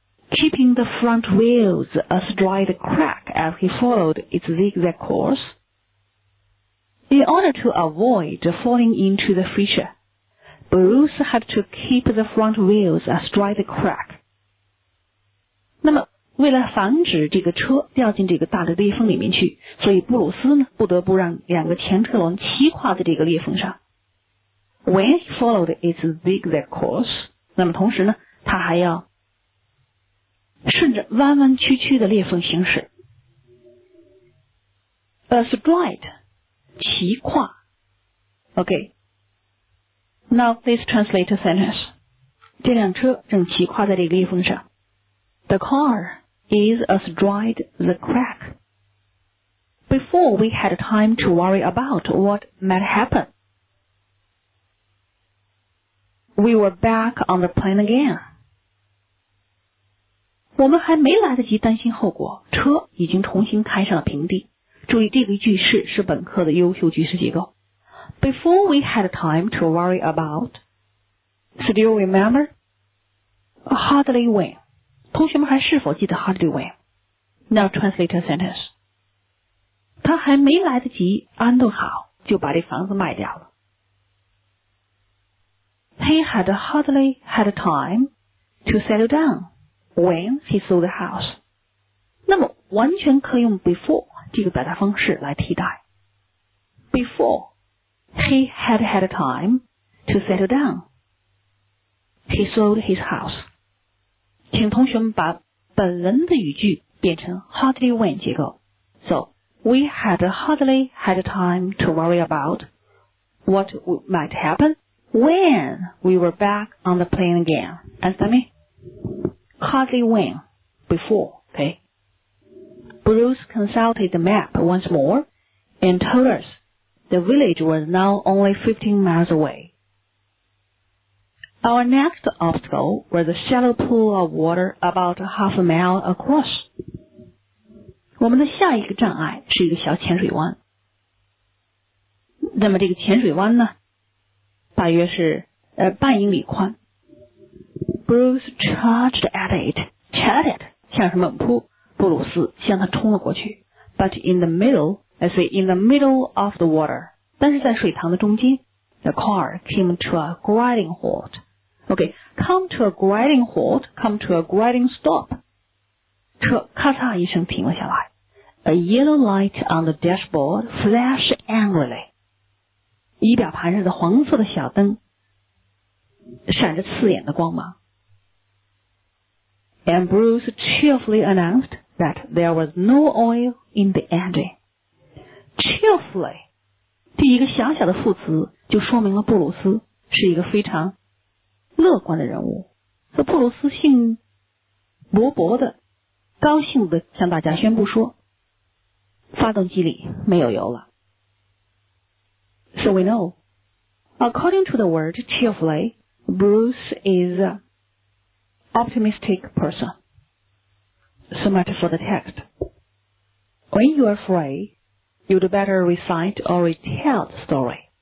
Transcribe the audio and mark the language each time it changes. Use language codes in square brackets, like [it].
[en] Keeping the front wheels astride the crack as he followed its zigzag course. In order to avoid falling into the fissure, Bruce had to keep the front wheels astride the crack. [zh] 那么为了防止这个车掉进这个大的裂缝里面去，所以布鲁斯呢不得不让两个前车轮齐跨在这个裂缝上。 [en] When he followed its zigzag course, [zh] 那么同时呢，他还要顺着弯弯曲曲的裂缝行驶。 [en] Astride, [zh] 齐跨。 [en] Okay. Now please translate a sentence. [zh] 这辆车正齐跨在这个裂缝上。 [en] The car. Is astride the crack. Before we had time to worry about what might happen, we were back on the plane again. [zh] 我们还没来得及担心后果，车已经重新开上了平地。注意这个句式是本课的优秀句式结构。 [en] Before we had time to worry about, still remember? Hardly when. [zh] 同学们还是否记得 [en] hardly when? Now translate a sentence. [zh] 他还没来得及安顿好就把这房子卖掉了。 [en] He had hardly had time to settle down when he sold the house. [zh] 那么完全可以用 before 这个表达方式来替代。 [en] Before he had had time to settle down, he sold his house. [zh] 请同学们把本文的语句变成 hardly when 结构。 [en] So, we had hardly had time to worry about what might happen when we were back on the plane again. Understand me? Hardly when, before, okay? Bruce consulted the map once more and told us the village was now only 15 miles away. Our next obstacle was a shallow pool of water about half a mile across. [zh] 我们的下一个障碍是一个小浅水湾。那么这个浅水湾呢，大约是半英里宽。 [en] Bruce charged at it. [zh] Charged, 向什么扑，布鲁斯向他冲了过去。 [en] But in the middle of the water, [zh] 但是在水塘的中间 [en] the car came to a grinding halt. Okay, come to a grinding halt, come to a grinding stop. [zh] 车咔嚓一声停了下来。 [en] A yellow light on the dashboard flashed angrily. [zh] 仪表盘上的黄色的小灯闪着刺眼的光芒。 [en] And Bruce cheerfully announced that there was no oil in the engine. [zh] Cheerfully, 第一个小小的副词就说明了布鲁斯是一个非常乐观的人物，这布鲁斯兴勃勃的、高兴的向大家宣布说，发动机里没有油了。 [en] So we know, according to the word cheerfully, Bruce is an optimistic person. So much for the text. When you are free, you'd better recite or retell the story.